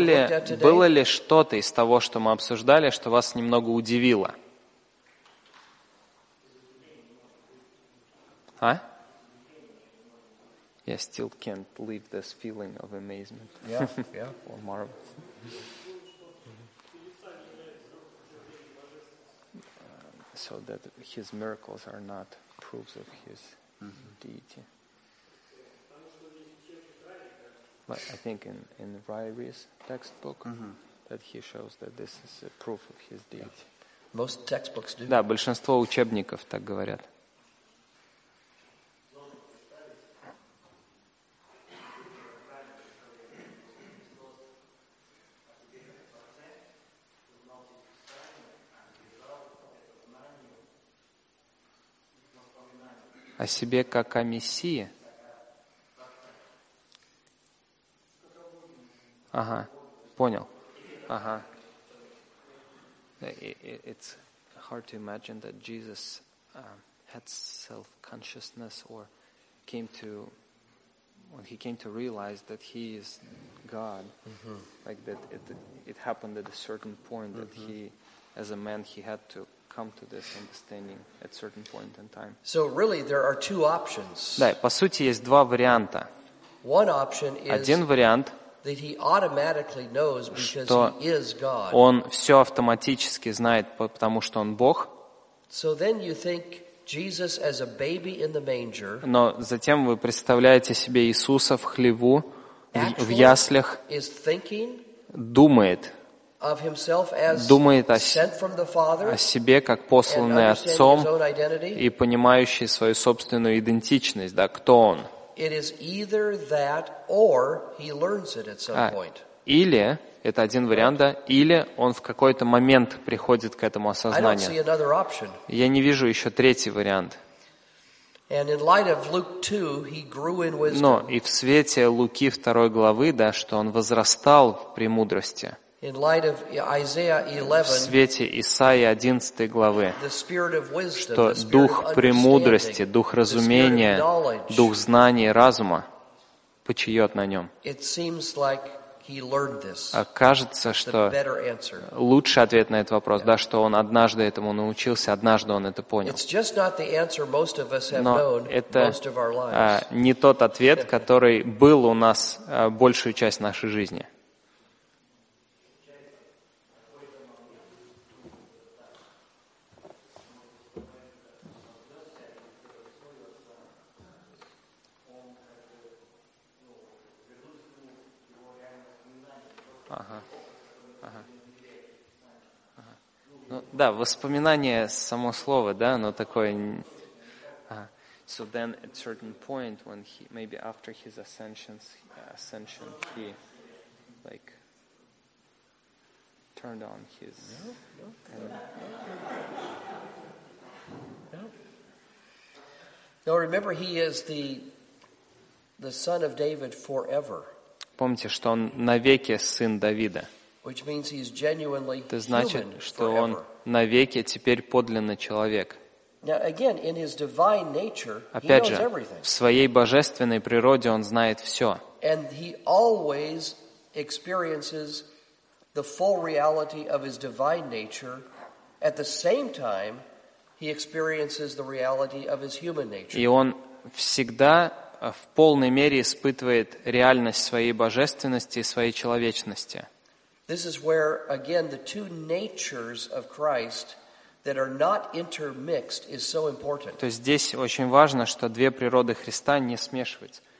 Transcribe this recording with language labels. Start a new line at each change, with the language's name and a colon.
English: we looked at today?
Russian: Было ли что-то из того, что мы обсуждали, что вас немного удивило? А?
English: Yeah, still can't leave this feeling of amazement. Yeah, yeah. Or marvel. So that his miracles are not proofs of his deity. But I think in Ryrie's textbook that he shows that this is a proof of his deity. Yeah. Most textbooks do.
Russian: Да, большинство учебников так говорят. О себе как о мессии. Ага, понял. Ага.
English: It's hard to imagine that Jesus had self-consciousness or came to realize that he is God. Mm-hmm. Like that it happened at a certain point that he, as a man, he had to come to this understanding at certain point in time. So really there are two options.
Russian: Да, по сути есть два варианта.
English: One option is
Russian: один вариант,
English: that he automatically knows because he is God.
Russian: Он всё автоматически знает, потому что он Бог.
English: So then you think Jesus as a baby in the manger.
Russian: Но затем вы представляете себе Иисуса в хлеву, в яслях,
English: is thinking,
Russian: думает.
English: Of himself as
Russian: думает
English: sent from the Father,
Russian: о себе как посланный отцом и понимающий свою собственную идентичность, да, кто он.
English: It is either that or he learns it at some point.
Russian: Или это один вариант, да, или он в какой-то момент приходит к этому осознанию.
English: I don't see another option.
Russian: Я не вижу еще третий вариант.
English: And in light of Luke 2, he grew in wisdom.
Russian: Но и в свете Луки 2 главы, да, что он возрастал в премудрости.
English: In light of Isaiah 11,
Russian: в свете Исаии 11 главы,
English: the spirit of wisdom,
Russian: что дух премудрости, дух разумения, дух знания и разума почиет на нем.
English: It seems like he learned this.
Russian: Кажется, что лучший ответ на этот вопрос, да, что он однажды этому научился, однажды он это понял.
English: It's just not the answer most of us have known most of our lives.
Russian: Не тот ответ, который был у нас большую часть нашей жизни. Да, воспоминание само слово, да, оно такое.
English: So then at certain point when he maybe after his ascension he like turned on his Now remember he is the son of David forever.
Russian: Помните, что он навеки сын Давида.
English: Which means he's genuinely human.
Russian: Это значит, что он навеки теперь подлинно человек.
English: Now, again, in his divine nature,
Russian: опять
English: he knows
Russian: же,
English: everything.
Russian: В своей божественной природе он знает все.
English: And he always experiences the full reality of his divine nature. At the same time, he experiences the reality of his human nature.
Russian: И он всегда в полной мере испытывает реальность своей божественности и своей человечности.
English: This is where again the two natures of Christ that are not intermixed is so important.
Russian: То есть здесь очень важно, что две природы Христа не смешивать.